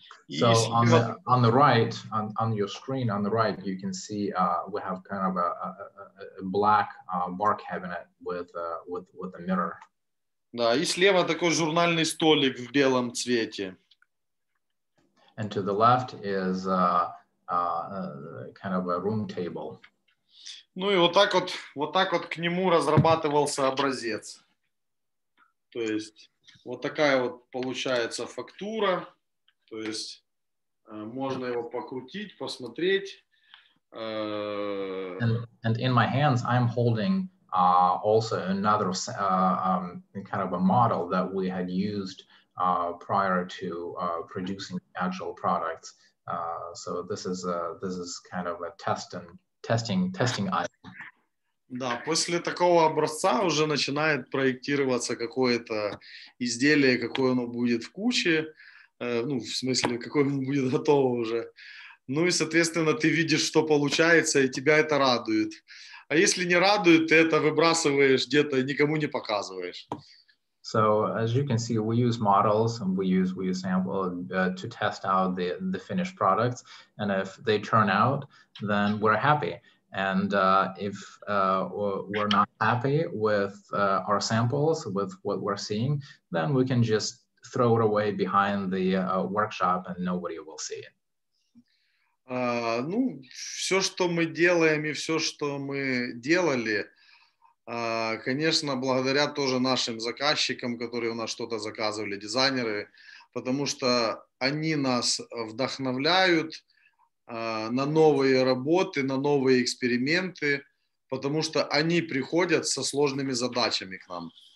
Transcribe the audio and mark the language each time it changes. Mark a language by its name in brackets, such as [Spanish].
[English] So on the right, on your screen, on the right, you can see we have kind of a black bar cabinet with a mirror. [Russian] Да, и слева такой журнальный столик в белом цвете. [English] And to the left is kind of a room table. [Russian] Ну и вот так вот к нему разрабатывался образец. То есть вот такая вот получается фактура. То есть можно его покрутить, посмотреть. [English] And in my hands I'm holding also another kind of a model that we had used prior to producing actual products. So this is kind of a testing item. [Russian] Да, после такого образца уже начинает проектироваться какое-то изделие, какое оно будет в куче, ну, в смысле, какое оно будет готово уже. Ну и, соответственно, ты видишь, что получается, и тебя это радует. А если не радует, ты это выбрасываешь где-то, никому не показываешь. [English] So as you can see, we use models and we use sample to test out the finished products. And if they turn out, then we're happy. And if we're not happy with our samples, with what we're seeing, then we can just throw it away behind the workshop and nobody will see it. [Russian] Ну, все, что мы делаем и все, что мы делали, конечно, благодаря тоже нашим заказчикам, которые у нас что-то заказывали, дизайнеры, потому что они нас вдохновляют на новые работы, на новые эксперименты, потому что они приходят со сложными задачами к нам.